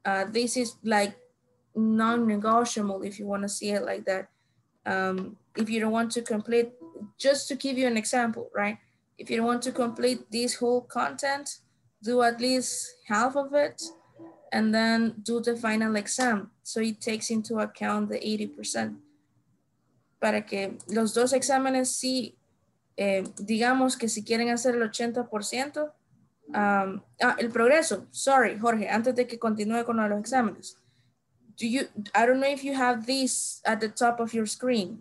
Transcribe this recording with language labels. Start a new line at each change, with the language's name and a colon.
English: This is like non-negotiable, if you want to see it like that. If you don't want to complete, just to give you an example, right? If you don't want to complete this whole content, do at least half of it, and then do the final exam. So it takes into account the 80%.
Spanish: Para que los dos exámenes, si, digamos que si quieren hacer el 80%, El progreso.
English: Sorry,
Spanish: Jorge, antes de que continúe con los exámenes.
English: Do you, I don't know if you have this at the top of your screen.